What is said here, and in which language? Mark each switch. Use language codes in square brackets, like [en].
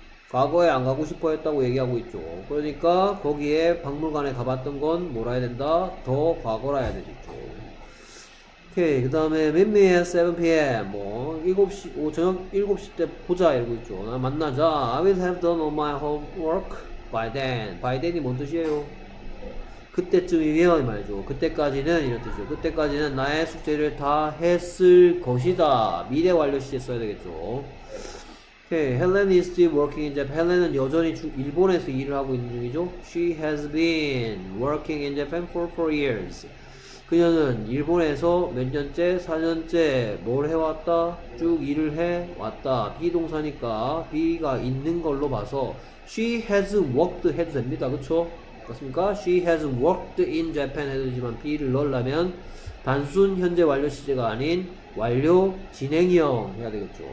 [ko] 과거에 안 가고 싶어 했다고 얘기하고 있죠. 그러니까 거기에 박물관에 가봤던 건 뭐라 해야 된다? 더 과거라 해야 되겠죠. 오케이. 그 다음에 [en] meet me at 7 PM. [ko] 뭐 7시, 오, 저녁 7시 때 보자 이러고 있죠. 나 만나자. [en] I will have done all my homework by then. [ko] by then이 뭔 뜻이에요? 그때쯤이면 말이죠. 그때까지는 이런 뜻이죠. 그때까지는 나의 숙제를 다 했을 것이다. 미래 완료 시제 써야 되겠죠. [en] Okay, Helen is still working in Japan. [ko] Helen은 여전히 일본에서 일을 하고 있는 중이죠. [en] She has been working in Japan for 4 years. [ko] 그녀는 일본에서 몇 년째, 4년째 뭘 해왔다? 쭉 일을 해왔다. be동사니까 be가 있는 걸로 봐서 [en] she has worked [ko] 해도 됩니다. 그쵸? 맞습니까? [en] She has worked in Japan [ko] 해도지만 be를 넣으려면 단순 현재 완료 시제가 아닌 완료 진행형 해야 되겠죠.